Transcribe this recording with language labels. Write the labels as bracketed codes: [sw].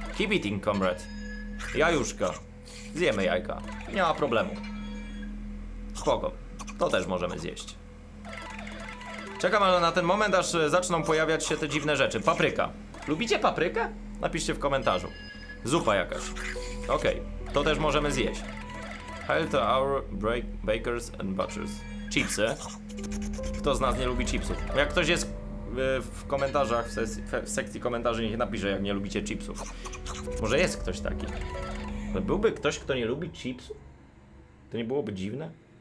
[en] Keep eating, comrade. [pl] Jajuszka. Zjemy jajka. Nie ma problemu. Spoko. To też możemy zjeść. Czekam ale na ten moment, aż zaczną pojawiać się te dziwne rzeczy. Papryka. Lubicie paprykę? Napiszcie w komentarzu. Zupa jakaś. Okej. To też możemy zjeść. [en] Hail to our bakers and butchers. [pl] Chipsy. Kto z nas nie lubi chipsów? Jak ktoś jest w komentarzach, w sekcji komentarzy, niech napisze, jak nie lubicie chipsów. Może jest ktoś taki. Byłby ktoś, kto nie lubi chipsów? To nie byłoby dziwne?